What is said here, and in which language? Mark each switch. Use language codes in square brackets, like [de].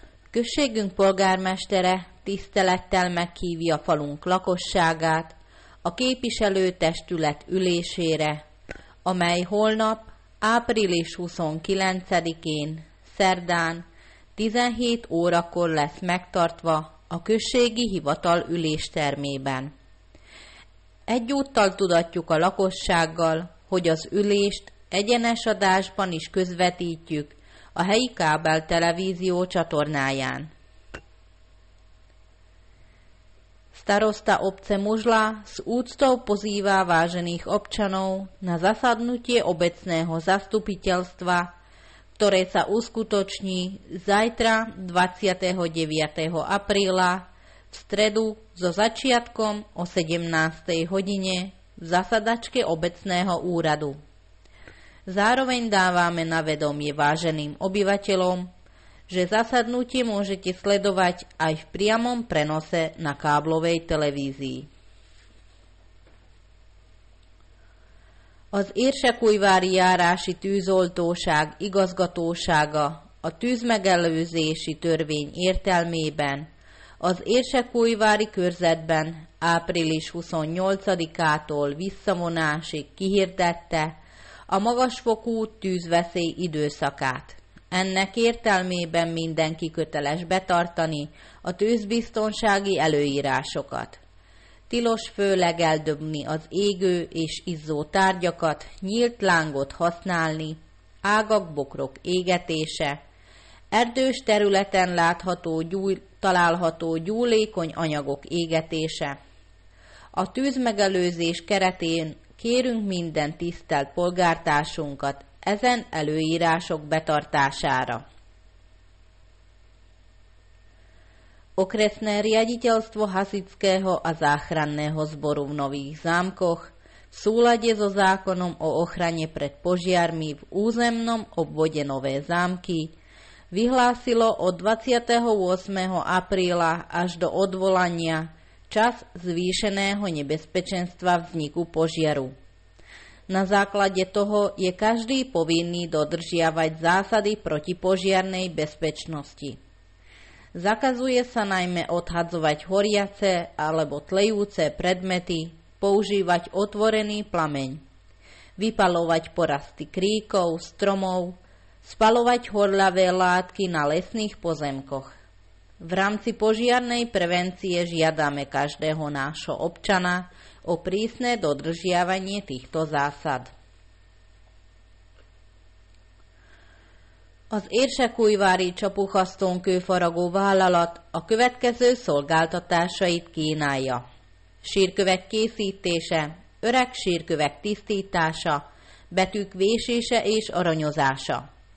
[hu] Községünk polgármestere tisztelettel meghívja a falunk lakosságát a képviselőtestület ülésére, amely holnap, április 29-én, szerdán, 17 órakor lesz megtartva a községi hivatal üléstermében. Egyúttal tudatjuk a lakossággal, hogy az ülést egyenes adásban is közvetítjük a helyi kábeltelevízió csatornáján. [sk] Starosta obce Mužla s úctou pozývá vážených občanov na zasadnutie obecného zastupiteľstva, ktoré sa uskutoční zajtra 29. apríla v stredu so začiatkom o 17. hodine v zasadačke obecného úradu. Zároveň dávame na vedomie váženým obyvateľom, že zasadnutie môžete sledovať aj v priamom prenose na káblovej televízii. [hu] Az érsekújvári járási tűzoltóság igazgatósága a tűzmegelőzési törvény értelmében az érsekújvári körzetben április 28-ától visszavonásig kihirdette a magasfokú tűzveszély időszakát. Ennek értelmében mindenki köteles betartani a tűzbiztonsági előírásokat. Tilos főleg eldobni az égő és izzó tárgyakat, nyílt lángot használni, ágak, bokrok égetése, erdős területen látható, található gyúlékony anyagok égetése. A tűzmegelőzés keretén kérünk minden tisztelt polgártársunkat ezen előírások betartására. [sk] Okresné riaditeľstvo hasičského a záchranného zboru v Nových Zámkoch v súlade so zákonom o ochrane pred požiarmi v územnom obvode Nové Zámky vyhlásilo od 28. apríla až do odvolania čas zvýšeného nebezpečenstva vzniku požiaru. Na základe toho je každý povinný dodržiavať zásady protipožiarnej bezpečnosti. Zakazuje sa najmä odhadzovať horiace alebo tlejúce predmety, používať otvorený plameň, vypalovať porasty kríkov, stromov, spalovať horľavé látky na lesných pozemkoch. V rámci požiarnej prevencie žiadame každého nášho občana o prísne dodržiavanie týchto zásad. [hu] Az érsekújvári csapuhasztón kőfaragó vállalat a következő szolgáltatásait kínálja. Sírkövek készítése, öreg sírkövek tisztítása, betűk vésése és aranyozása.